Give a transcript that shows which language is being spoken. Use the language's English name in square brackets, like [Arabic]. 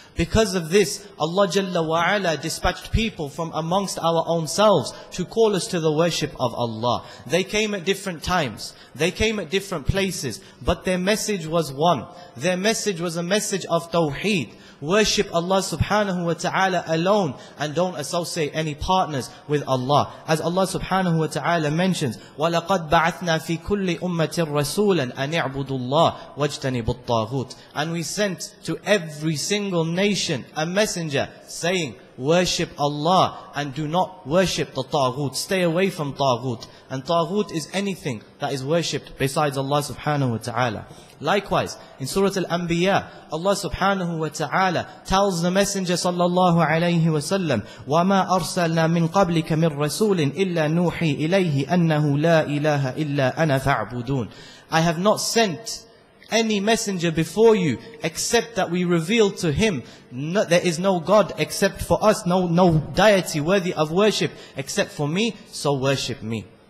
[English] Because of this, Allah jalla wa ala dispatched people from amongst our own selves to call us to the worship of Allah. They came at different times. They came at different places. But their message was one. Their message was a message of tawheed. Worship Allah subhanahu wa ta'ala alone and don't associate any partners with Allah. As Allah subhanahu wa ta'ala mentions, [Arabic] وَلَقَدْ بَعَثْنَا فِي كُلِّ أُمَّةٍ رَسُولًا أَنِ اعْبُدُ اللَّهِ وَاجْتَنِبُ الطَّاغُوتِ. [English] And we sent to every single nation a messenger saying, worship Allah and do not worship the taghut. Stay away from taghut. And taghut is anything that is worshipped besides Allah subhanahu wa ta'ala. Likewise, in Surah Al-Anbiya, Allah subhanahu wa ta'ala tells the Messenger sallallahu alayhi wa sallam, [Arabic] وَمَا أَرْسَلْنَا مِنْ قَبْلِكَ مِنْ رَسُولٍ إِلَّا نُوحِي إِلَيْهِ أَنَّهُ لَا إِلَهَ إِلَّا أَنَا فَاعْبُدُونَ. [English] I have not sent any messenger before you, except that we reveal to him, no, there is no God except for us, no deity worthy of worship, except for me, so worship me.